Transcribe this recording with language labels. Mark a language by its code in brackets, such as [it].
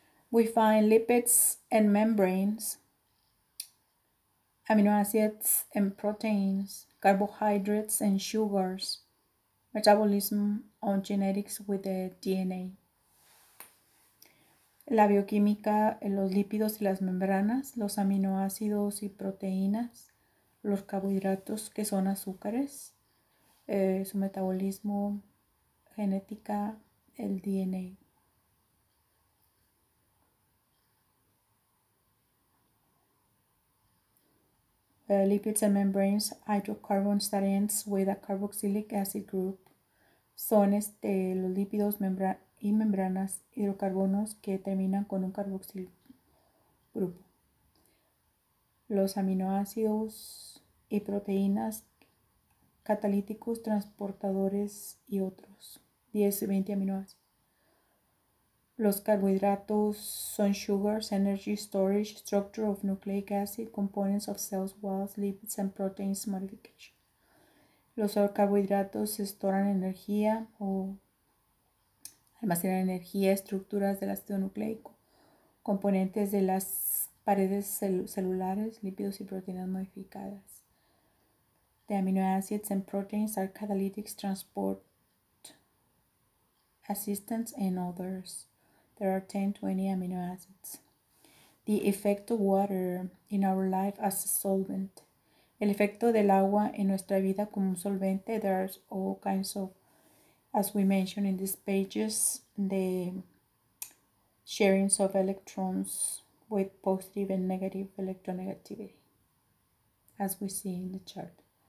[en] We find lipids and membranes, amino acids and proteins, carbohydrates and sugars, metabolism on genetics with the DNA. [es] La bioquímica, los lípidos y las membranas, los aminoácidos y proteínas, los carbohidratos que son azúcares, su metabolismo, genética, el DNA. [en] Lipids and membranes, hydrocarbons that ends with a carboxylic acid group. [es] Son los lípidos y membranas hidrocarbonos que terminan con un carboxil grupo. Los aminoácidos y proteínas catalíticos, transportadores y otros. 10 y 20 aminoácidos. Los carbohidratos son [en] sugars, energy storage, structure of nucleic acid, components of cells walls, lipids and proteins modification. [es] Los carbohidratos estoran energía o almacenan energía, estructuras del ácido nucleico, componentes de las paredes celulares, lípidos y proteínas modificadas. [en] The amino acids and proteins are catalytic transport assistants and others. There are 10-20 amino acids. The effect of water in our life as a solvent. [es] El efecto del agua en nuestra vida como un solvente. [en] There are all kinds of, as we mentioned in these pages, the sharings of electrons with positive and negative electronegativity, as we see in the chart.